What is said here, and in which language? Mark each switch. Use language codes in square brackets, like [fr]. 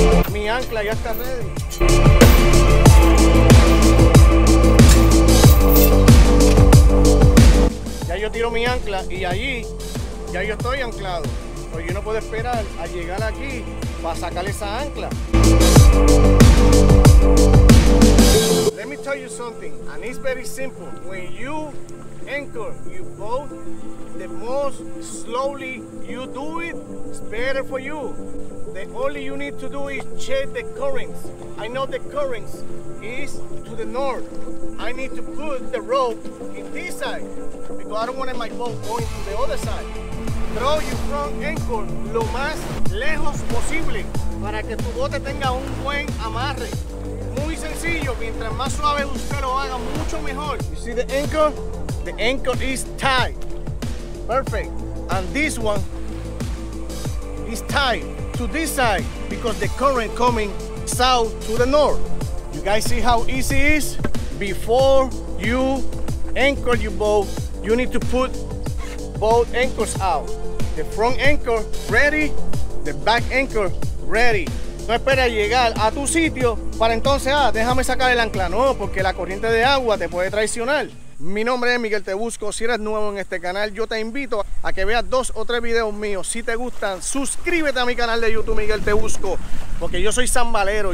[es] Mi ancla ya está ready. Ya yo tiro mi ancla y allí ya yo estoy anclado. Pues yo no puedo esperar a llegar aquí para sacar esa ancla. [en] Let me tell you something, and it's very simple. When you anchor your boat, the most slowly you do it, it's better for you. The only you need to do is check the currents. I know the currents is to the north. I need to put the rope in this side because I don't want my boat going to the other side. Throw your front anchor [es] lo más lejos posible para que tu bote tenga un buen amarre. Muy sencillo, mientras más suave usted lo haga, mucho mejor. [en] You see the anchor? The anchor is tied. Perfect. And this one is tied to this side because the current coming south to the north. You guys see how easy it is? Before you anchor your boat, you need to put both anchors out. The front anchor ready, the back anchor ready. [es] No esperes llegar a tu sitio para entonces, déjame sacar el ancla. No, porque la corriente de agua te puede traicionar. Mi nombre es Miguel Tebusco. Si eres nuevo en este canal, yo te invito a que veas dos o tres videos míos. Si te gustan, suscríbete a mi canal de YouTube, Miguel Tebusco, porque yo soy zambalero.